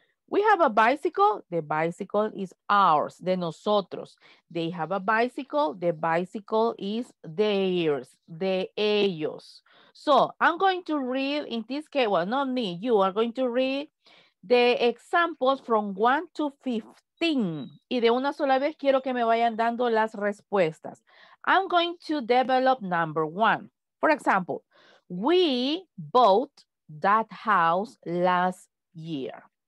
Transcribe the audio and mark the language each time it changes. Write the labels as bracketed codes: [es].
[en] We have a bicycle, the bicycle is ours, [es] de nosotros. [en] They have a bicycle, the bicycle is theirs, [es] de ellos. [en] So, I'm going to read in this case, well, not me, you are going to read the examples from 1 to 15. [es] Y de una sola vez quiero que me vayan dando las respuestas. [en] I'm going to develop number one. For example, we bought that house last year.